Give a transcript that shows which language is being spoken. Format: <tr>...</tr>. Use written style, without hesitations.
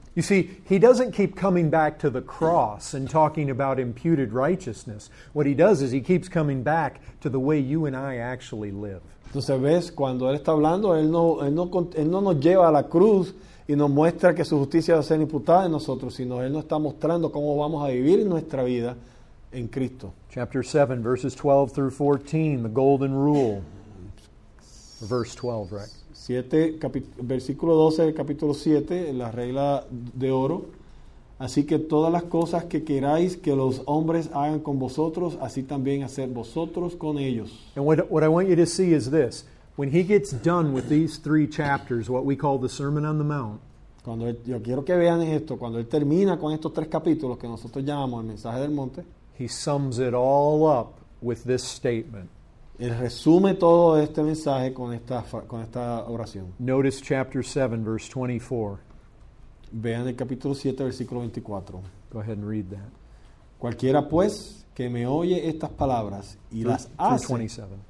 <en>You see, he doesn't keep coming back to the cross and talking about imputed righteousness. What he does is he keeps coming back to the way you and I actually live.</en> <es>Entonces, ves, cuando él está hablando, él no nos lleva a la cruz y nos muestra que su justicia va a ser imputada en nosotros, sino él nos está mostrando cómo vamos a vivir nuestra vida en Cristo.</es> <en>Chapter 7, verses 12 through 14, the golden rule. Verse 12, right?</en> <es>7, versículo 12 del capítulo 7, la regla de oro. Así que todas las cosas que queráis que los hombres hagan con vosotros, así también hacer vosotros con ellos.</es> <en>And what I want you to see is this. When he gets done with these three chapters, what we call the Sermon on the Mount.</en> <es>Cuando yo quiero que vean esto, cuando él termina con estos tres capítulos que nosotros llamamos el mensaje del monte,</es> <en>he sums it all up with this statement.</en> <es>Él resume todo este mensaje con esta oración.</es> <en>Notice chapter 7 verse 24.</en> <es>Vean el capítulo 7 versículo 24.</es> <en>Go ahead and read that.</en> <es>Cualquiera pues que me oye estas palabras y las hace.</es> <en>Verse 27.</en>